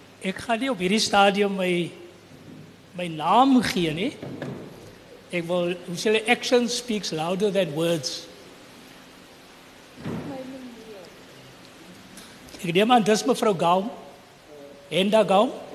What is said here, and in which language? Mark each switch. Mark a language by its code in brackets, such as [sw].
[af] Ek ga nie op hierdie stadium my naam gee nie. Ek wil, hoe sê, [en] action speaks louder than words. [af] Ek neem aan, dis mevrou Gaum. Enda Gaum.